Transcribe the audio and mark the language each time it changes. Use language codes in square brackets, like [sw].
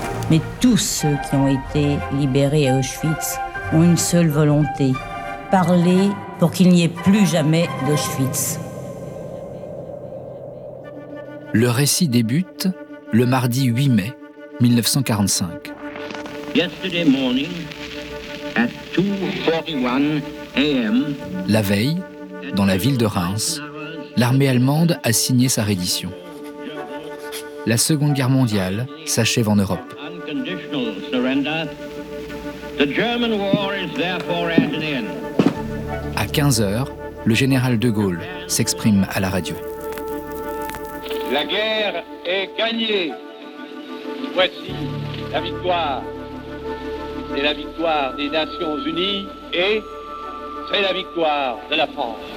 [fr] Mais tous ceux qui ont été libérés à Auschwitz ont une seule volonté, parler pour qu'il n'y ait plus jamais d'Auschwitz. Le récit débute le mardi 8 mai 1945. [en] Yesterday morning at 2:41 a.m. [fr] La veille, dans la ville de Reims, l'armée allemande a signé sa reddition. La Seconde Guerre mondiale s'achève en Europe. [en] Unconditional surrender. The German war is therefore at an end. [fr] À 15h, le général de Gaulle s'exprime à la radio. La guerre est gagnée. Voici la victoire. C'est la victoire des Nations Unies et c'est la victoire de la France.